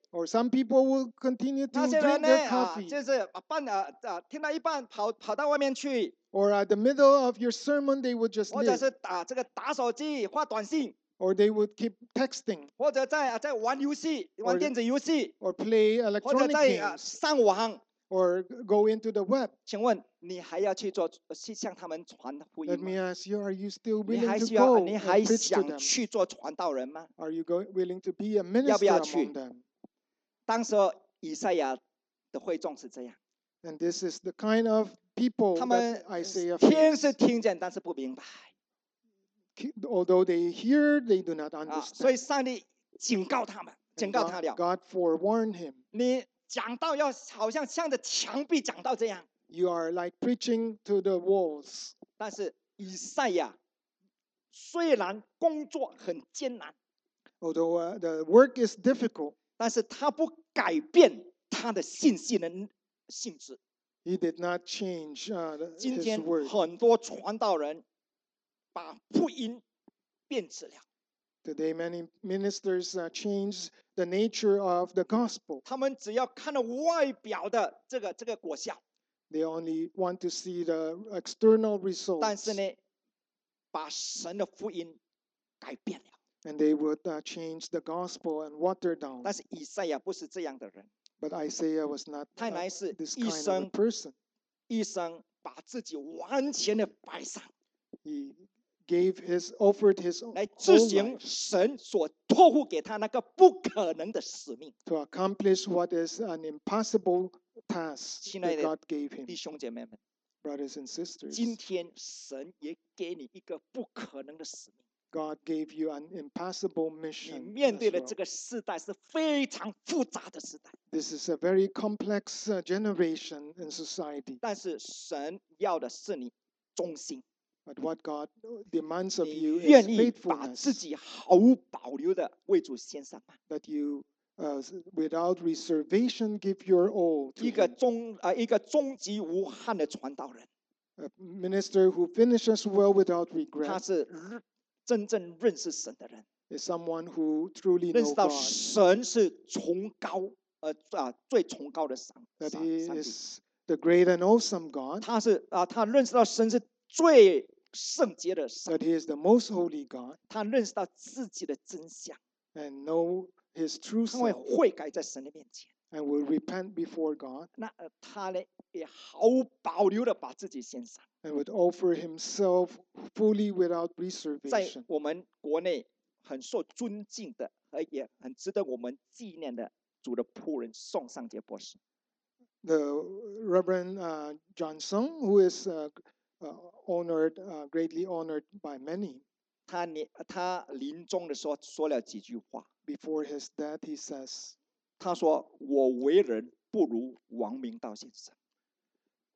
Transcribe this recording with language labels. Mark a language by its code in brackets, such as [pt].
[en] Or some people will continue to drink their coffee. [zh] 就是听到一半跑到外面去。 [en] Or at the middle of your sermon, they would just leave. [zh] 或者是打手机发短信。 [en] Or they would keep texting. [zh] 或者在玩游戏，玩电子游戏。 [en] Or play electronic games. [zh] 或者在上网。 [en] Or go into the web. [zh] 请问你还要去做，去向他们传福音吗？ [en] Let me ask you: Are you still willing to go and preach to them? [zh] 你还想去做传道人吗？ [en] Are you willing to be a minister among them? [zh] 当时以赛亚的会众是这样。 [en] And this is the kind of people that Isaiah faced. [zh] 天是听见，但是不明白。 [en] although they hear, they do not understand. [zh] 所以上帝警告他们，警告他了。 [en] God forewarned him. [zh] 你讲到要好像向着墙壁讲到这样。 [en] You are like preaching to the walls. [zh] 但是以赛亚虽然工作很艰难 [en] ，although the work is difficult， [zh] 但是他不改变他的信心的性质。 [en] He did not change his word. [zh] 今天很多传道人把福音变质了。 [en] Today many ministers change the nature of the gospel. [zh] 他们只要看到外表的这个果效。 [en] They only want to see the external results. [zh] 但是呢，把神的福音改变了。 [en] And they would change the gospel and water down. [zh] 但是以赛亚不是这样的人。 [en] But Isaiah was not this kind of a person. [zh] 一生，一生把自己完全的摆上。 [en] He gave his offered his own life [zh] 来执行神所托付给他那个不可能的使命。 [en] To accomplish what is an impossible task that God gave him. [zh] 弟兄姐妹们 [en] ，brothers and sisters， [zh] 今天神也给你一个不可能的使命。 [en] God gave you an impossible mission. [zh] 你面对的这个时代是非常复杂的时代。 [en] This is a very complex generation in society. [zh] 但是神要的是你忠心。 [en] But what God demands of you is [zh] 你愿意把自己毫无保留的为主献上吗 [en] ？That you, without reservation, give your all. [zh] 一个终极无憾的传道人。 [en] A minister who finishes well without regret. [zh] 他是真正认识神的人 [en] ，is someone who truly knows God. [zh] 认识到神是崇高最崇高的上帝。 [en] That he is the great and awesome God. [zh] 他是他认识到神是最圣洁的上帝。 [en] That he is the most holy God. [zh] 他认识到自己的真相。 [en] And know his true self. [zh] 他会悔改在神的面前。 [en] And will repent before God. [zh] 那他呢？也毫无保留的把自己献上。 [en] And would offer himself fully without reservation. [zh] 在我们国内很受尊敬的，而也很值得我们纪念的主的仆人宋尚杰博士。 [en] The Reverend John Song, who is honored, greatly honored by many. [zh] 他临终的时候说了几句话。 [en] Before his death, he says. [zh] 他说：“我为人不如王明道先生。”